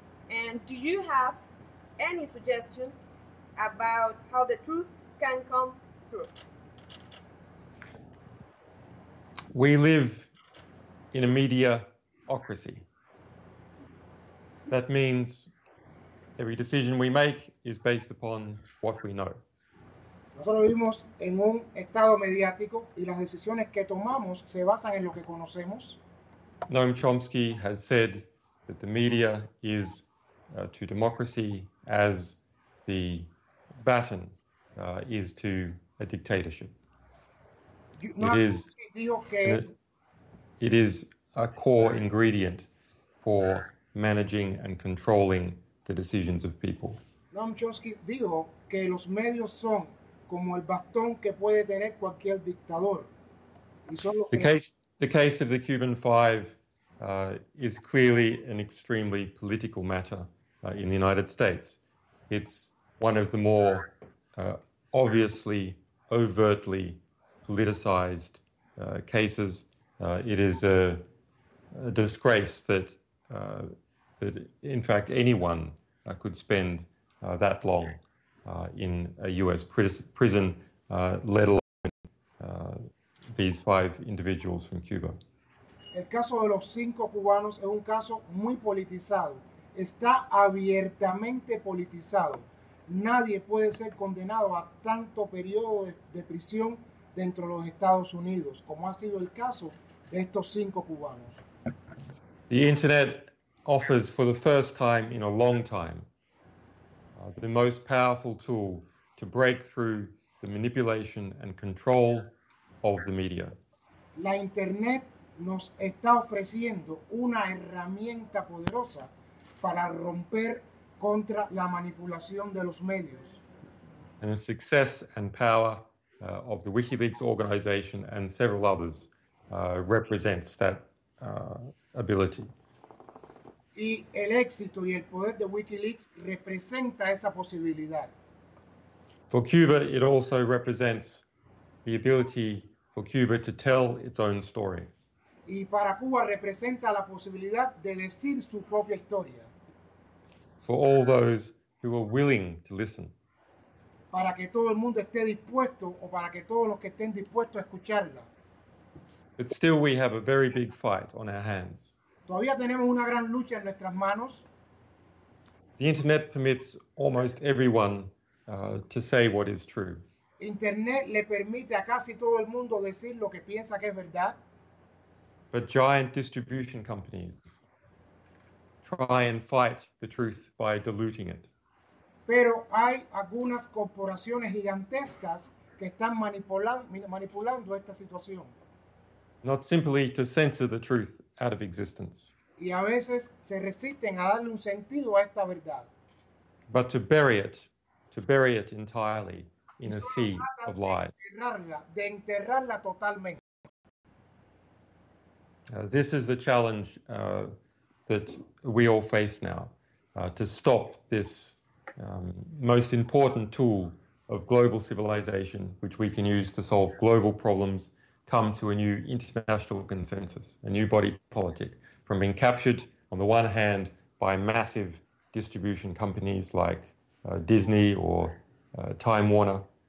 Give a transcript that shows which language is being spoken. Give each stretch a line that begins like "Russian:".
English: And do you have any suggestions about how the truth can come through? We live in a mediaocracy. That means every decision we make is based upon what we know.
Spanish: Nosotros vivimos en un estado mediático y las decisiones que tomamos se basan en lo que conocemos.
English: Noam Chomsky has said that the media is to democracy as the baton is to a dictatorship. It is a core ingredient for managing and controlling the decisions of people.
Spanish: Noam Chomsky dijo que los medios son como el bastón que puede tener cualquier dictador.
English: The case of the Cuban Five is clearly an extremely political matter in the United States. It's one of the more obviously, overtly politicized cases. It is a disgrace that that in fact anyone could spend that long in a US prison, let alone these five individuals from Cuba.
Spanish: El caso de los cinco cubanos es un caso muy politizado. Está abiertamente politizado. Nadie puede ser condenado a tanto periodo de prisión dentro de los Estados Unidos, como ha sido el caso de estos cinco cubanos.
English: The internet offers for the first time in a long time the most powerful tool to break through the manipulation and control of the media.
Spanish: La internet nos está ofreciendo una herramienta poderosa para romper contra la manipulación de los medios.
English: And the success and power of the Wikileaks organization and several others represents that ability.
Spanish: Y el éxito y el poder de Wikileaks representa esa posibilidad.
English: For Cuba, it also represents the ability for Cuba to tell its own story.
Spanish: Y para Cuba representa la posibilidad de decir su propia historia.
English: For all those who are willing to listen.
Spanish: Para que todo el mundo esté dispuesto o para que todos los que estén dispuestos a escucharla.
English: But still we have a very big fight on our hands.
Spanish: Todavía tenemos una gran lucha en nuestras manos.
English: The internet permits almost everyone to say what is true.
Spanish: Internet le permite a casi todo el mundo decir lo que piensa que es verdad.
English: But giant distribution companies try and fight the truth by diluting it.
Spanish: Pero hay algunas corporaciones gigantescas que están manipulando esta situación.
English: Not simply to censor the truth out of existence.
Spanish: Y a veces se resisten a darle un sentido a esta verdad.
English: But to bury it entirely in a sea of lies.
Spanish: De enterrarla totalmente.
English: This is the challenge that we all face now, to stop this most important tool of global civilization, which we can use to solve global problems, come to a new international consensus, a new body politic, from being captured on the one hand by massive distribution companies like Disney or Time Warner.